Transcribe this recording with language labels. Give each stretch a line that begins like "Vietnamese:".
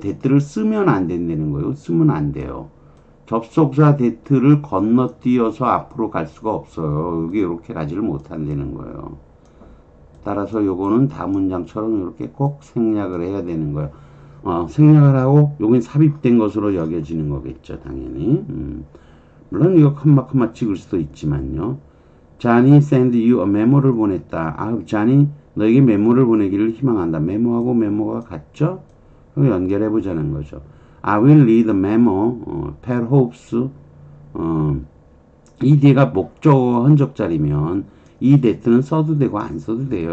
Korean: 대뜰을 쓰면 안 된다는 거예요. 쓰면 안 돼요. 접속사 대뜰을 건너뛰어서 앞으로 갈 수가 없어요. 여기 이렇게 가지를 못한다는 거예요. 따라서 요거는 다문장처럼 이렇게 꼭 생략을 해야 되는 거예요. 생략을 하고 요긴 삽입된 것으로 여겨지는 거겠죠, 당연히. 물론 이거 콤마 찍을 수도 있지만요.
English: Johnny send you a
Korean: 메모를 보냈다. 쟈니 너에게 메모를 보내기를 희망한다. 메모하고 메모가 같죠? 연결해 보자는 거죠.
English: I will read the memo. Perhaps.
Korean: 이 뒤에가 목적어 흔적자리면 이 데트는 써도 되고 안 써도 돼요.